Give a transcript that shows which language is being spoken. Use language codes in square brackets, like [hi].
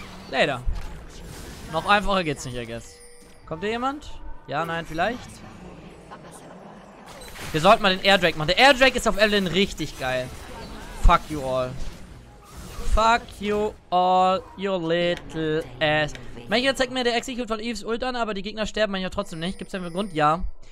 [de] Leider. Noch einfacher geht's nicht, [en] I guess. [de] Kommt hier jemand? Ja, nein, vielleicht? Wir sollten mal den Airdrake machen. Der Airdrake ist auf Evelyn richtig geil. [en] Fuck you all. Fuck you all, you little ass. [de] Manchmal zeigt mir der Execute von Eves Ult an, aber die Gegner sterben manchmal trotzdem nicht. Gibt's denn einen Grund? Ja.